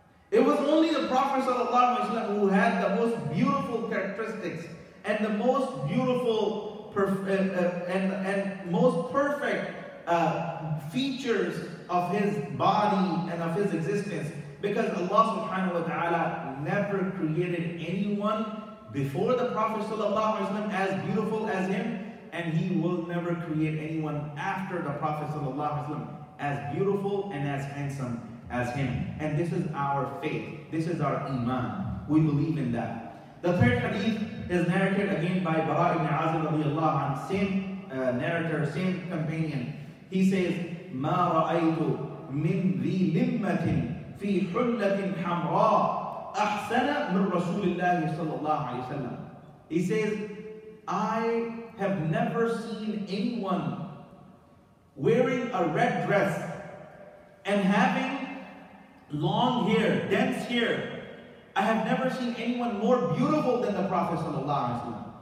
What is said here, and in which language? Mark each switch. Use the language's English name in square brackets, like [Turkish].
[English] It was only the Prophet ﷺ who had the most beautiful characteristics and the most beautiful and most perfect features of his body and of his existence, because Allah subhanahu wa ta'ala never created anyone before the Prophet sallallahu alaihi wasallam as beautiful as him, and he will never create anyone after the Prophet sallallahu alaihi wasallam as beautiful and as handsome as him. And this is our faith, this is our iman, we believe in that. The third hadith is narrated again by Bara ibn Azib radiallahu anhu, same narrator, same companion. He says, [Arabic] مَا رَأَيْتُ مِنْ ذِي لِمَّةٍ فِي حُلَّةٍ حَمْرَاءٍ أَحْسَنَ مِنْ رَسُولِ اللَّهِ صَلَّى اللَّهُ عَلَيْهِ وَسَلَّمَ. [English] He says, I have never seen anyone wearing a red dress and having long hair, dense hair. I have never seen anyone more beautiful than the Prophet sallallahu alaihi wasallam.